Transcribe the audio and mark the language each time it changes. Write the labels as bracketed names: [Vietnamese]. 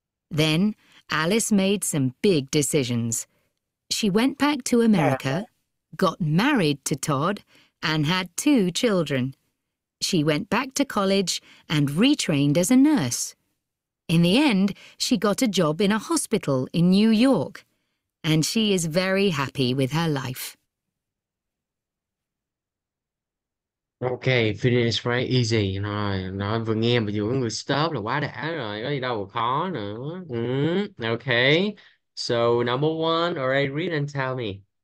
[English] Then Alice made some big decisions. She went back to America, got married to Todd, and had two children. She went back to college and retrained as a nurse. In the end, she got a job in a hospital in New York, and she is very happy with her life. Okay, finish very easy. [Vietnamese] Nói vừa nghe mà vừa có người stop là quá đã rồi, có gì đâu mà khó nữa. [English] Okay, so number one, all right, read and tell me.